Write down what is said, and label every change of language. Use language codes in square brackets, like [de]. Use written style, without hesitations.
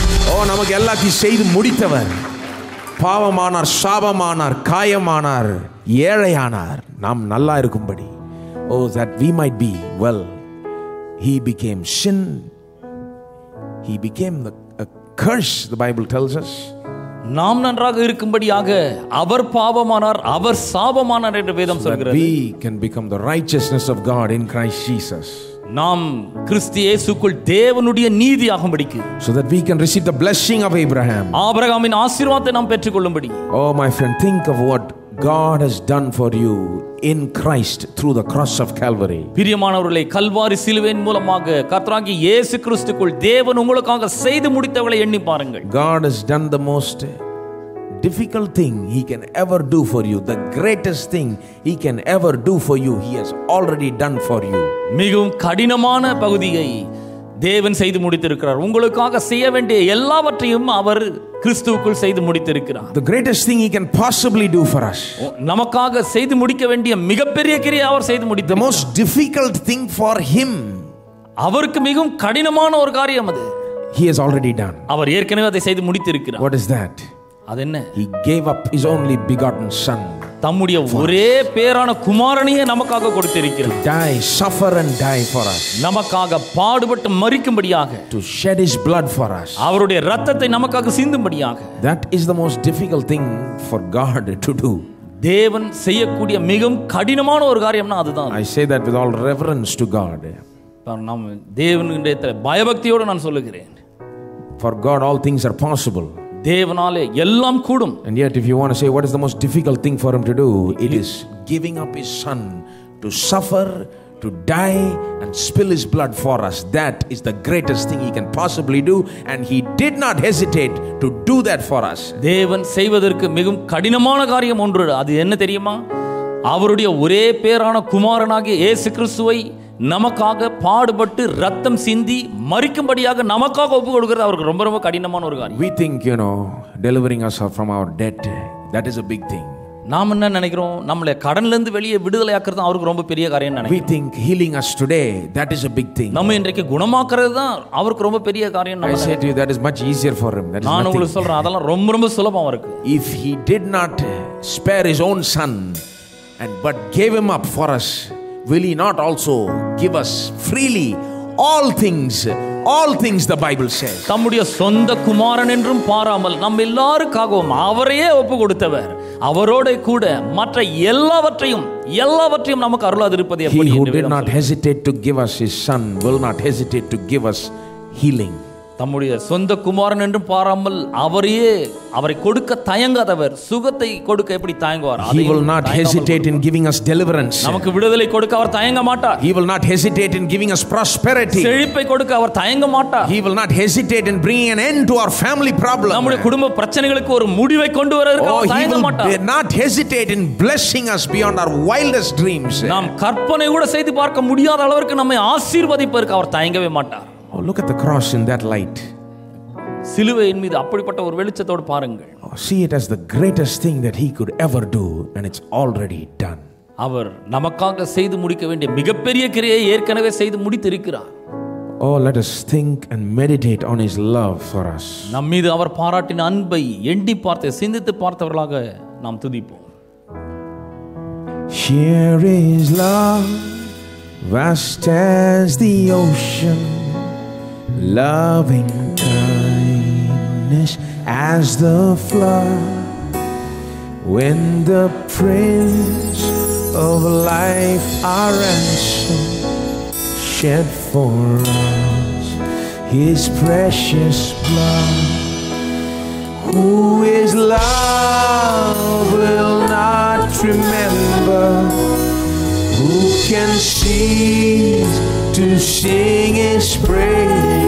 [ta] ஓ, நமக்கு எல்லாத்தையும் செய்து முடித்தவர், பாவமானார், சாபமானார், காயமானார், ஏழையானார், நாம் நல்லா இருக்கும்படி. [en] Oh, that we might be well. He became sin, he became the curse, the Bible tells us. [ta] நாம் நன்றாக இருக்கும்படியாக அவர் பாவமானார், அவர் சாபமானார் என்று வேதம் சொல்கிறது. [en] We can become the righteousness of God in Christ Jesus. [ta] நாம் கிறிஸ்து இயேசுவுக்குள் தேவனுடைய நீதியாகும்படிக்கு. [en] So that we can receive the blessing of Abraham. [ta] ஆபிரகாமின் ஆசீர்வாதத்தை நாம் பெற்றுக்கொள்ளும்படி. [en] Oh my friend, think of what God has done for you in Christ through the cross of Calvary. [ta] பிரியமானவர்களே, கல்வாரி சிலுவையின் மூலமாக கர்த்தராகிய இயேசு கிறிஸ்துவுக்குள் தேவன் உங்களுக்காக செய்து முடித்தவளை எண்ணி பாருங்கள். [en] God has done the most difficult thing he can ever do for you, the greatest thing he can ever do for you, he has already done for you. [ta] மிகவும் கடினமான பகுதியை தேவன் செய்து முடித்திருக்கிறார். உங்களுக்காக செய்ய வேண்டிய எல்லாவற்றையும் அவர் கிறிஸ்துவுக்குள் செய்து முடித்திருக்கிறார். [en] The greatest thing he can possibly do for us. [ta] நமக்காக செய்து முடிக்க வேண்டிய மிகப்பெரிய கிரியை அவர் செய்து முடித்தது. [en] The most difficult thing for him. [ta] அவருக்கு மிகவும் கடினமான ஒரு காரியம் அது. [en] He has already done. [ta] அவர் ஏற்கனவே அதை செய்து முடித்திருக்கிறார். [en] What is that? [ta] அது என்ன? [en] He gave up his only begotten son. [ta] தம்முடைய ஒரே பேரான குமாரனையே நமக்காக கொடுத்திருக்கிறார். [en] To die, suffer and die for us. [ta] நமக்காக பாடுபட்டு மரிக்கும்படியாக. [en] To shed his blood for us. [ta] அவருடைய இரத்தத்தை நமக்காக சிந்தும்படியாக. [en] That is the most difficult thing for God to do. [ta] தேவன் செய்யக்கூடிய மிகவும் கடினமான ஒரு காரியம்னா அதுதான். [en] I say that with all reverence to God. [ta] நாம் தேவனுடைய பயபக்தியோடு நான் சொல்லுகிறேன். [en] For God all things are possible. [ta] தேவனாலே எல்லாம் கூடும். [en] And yet if you want to say what is the most difficult thing for him to do, it is giving up his son to suffer, to die and spill his blood for us. That is the greatest thing he can possibly do, and he did not hesitate to do that for us. [ta] தேவன் செய்வதற்கு மிகவும் கடினமான காரியம் ஒன்று, அது என்ன தெரியுமா? அவருடைய ஒரே பேரான குமாரனாகிய இயேசு கிறிஸ்துவை நமக்காக பாடுபட்டு ரத்தம் சிந்தி மரிக்கும்படியாக நமக்காக ஒப்பு கொடுக்கிறது அவருக்கு ரொம்ப ரொம்ப கடினமான ஒரு காரியம். [en] We think, you know, delivering us from our debt, that is a big thing. [ta] நாம் என்ன நினைக்கிறோம்? நம்மளை கடன்ல இருந்து வெளியே விடுதலை ஆக்குறது அவருக்கு ரொம்ப பெரிய காரியம் நினைக்கிறோம். [en] We think healing us today, that is a big thing. [ta] நம்ம இன்றைக்கு குணமாக்குறது தான் அவருக்கு ரொம்ப பெரிய காரியம் நினைக்கிறோம். [en] I say to you, that is much easier for him. [ta] நான் உங்களுக்கு சொல்றேன், அதெல்லாம் ரொம்ப ரொம்ப சுலபம் அவருக்கு. [en] If he did not spare his own son and but gave him up for us, will he not also give us freely all things the Bible says. [ta] தம்முடைய சொந்த குமாரன் என்றும் பாராமல் நம் எல்லாருக்காகவும் அவரையே ஒப்பு கொடுத்தவர், அவரோட கூட மற்ற எல்லாவற்றையும் நமக்கு அருளாதிருப்பது எப்படி? [en] He who did not hesitate to give us his son will not hesitate to give us healing. [ta] தம்முடைய சொந்த குமாரன் என்றும் பாராமல் அவரையே, அவரை கொடுக்க தயங்காதவர் சுகத்தை கொடுக்க எப்படி தயங்குவார்? [en] He will not hesitate in giving us deliverance. [ta] நமக்கு விடுதலை கொடுக்க அவர் தயங்க மாட்டார். [en] He will not hesitate in giving us prosperity. [ta] செழிப்பை கொடுக்க அவர் தயங்க மாட்டார். [en] He will not hesitate in bringing an end to our family problem. [ta] நம்முடைய குடும்ப பிரச்சனைகளுக்கு ஒரு முடிவை கொண்டு வரதற்கு அவர் தயங்க மாட்டார். [en] He will not hesitate in blessing us beyond our wildest dreams. [ta] நாம் கற்பனை கூட செய்து பார்க்க முடியாத அளவுக்கு நம்மை ஆசீர்வதிப்பதற்கு அவர் தயங்கவே மாட்டார். [en] Oh, look at the cross in that light. [ta] சிலுவையின் மீது அப்படிப்பட்ட ஒரு வெளிச்சத்தோடு பாருங்கள். [en] See it as the greatest thing that he could ever do, and it's already done. [ta] அவர் நமக்காக செய்து முடிக்க வேண்டிய மிகப்பெரிய கிரியையை ஏற்கனவே செய்து முடித்திருக்கிறார். [en] Oh, let us think and meditate on his love for us. [ta] நம்மீது அவர் பாராட்டின அன்பை எண்ணி பார்த்து சிந்தித்து பார்த்தவர்களாக நாம் துதிப்போம். [en] Here is love vast as the ocean, loving kindness as the flood. When the Prince of Life, our ransom, shed for us his precious blood, who is love will not remember, who can cease to sing his praise.